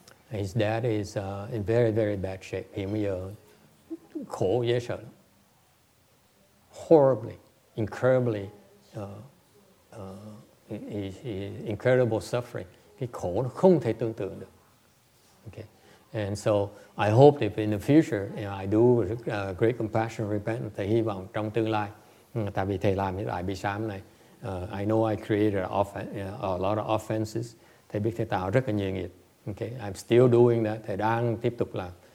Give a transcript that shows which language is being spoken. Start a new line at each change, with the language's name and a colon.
English: His dad is in very very bad shape.
Vietnamese: Hiện bây giờ khổ dễ sợ lắm.
English: Horribly, incredibly, incredible suffering.
Vietnamese: Cái khổ nó không thể tưởng tượng được.
English: Okay. And so I hope that in the future, you know, I do great compassion, repent.
Vietnamese: Thầy hy vọng trong tương lai, tại vì thầy làm cái đại bi sám này,
English: I know I created a lot of offenses.
Vietnamese: Thầy biết thầy tạo rất là nhiều nghiệp.
English: Okay. I'm still doing that.
Vietnamese: Thầy đang tiếp tục làm.